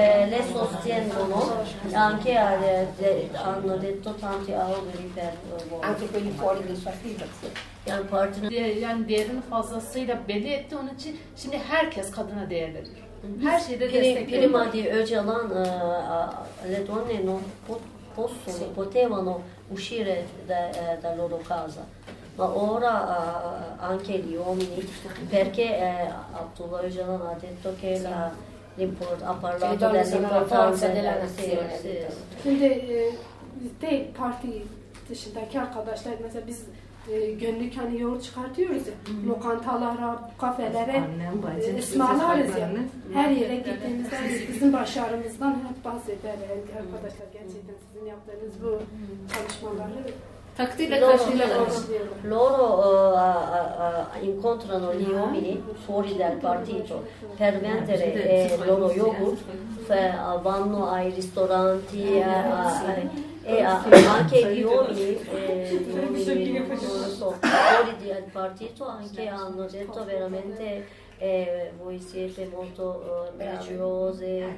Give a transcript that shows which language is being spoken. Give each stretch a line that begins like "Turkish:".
Italian: Le sostengono anche hanno detto tanti auguri per voi. Anche quelli fuori del partito.
Turkish: Yani partinin yani değerini fazlasıyla belli etti onun için. Şimdi herkes kadına değer verir. Her şeyde destekliyor.
Italian: Prima di Öcalan le donne non possono, potevano uscire da loro casa. Ma ora anche gli uomini, perché Abdullah Öcalan ha detto che la l'import ha parlato dell'importanza della nazione.
Turkish: Şimdi de parti dışındaki arkadaşlar mesela biz günlük hani yoğurt çıkartıyoruz ya, lokantalara, kafelere, ısmarlarız ya. Her yere gittiğimizde bizim başarımızdan hep bahseder arkadaşlar, gerçekten sizin yaptığınız bu çalışmaları
Italian: loro incontrano gli uomini fuori dal partito per vendere il loro yogurt, vanno ai ristoranti e anche gli uomini fuori dal partito anche hanno detto veramente voi siete molto graziose,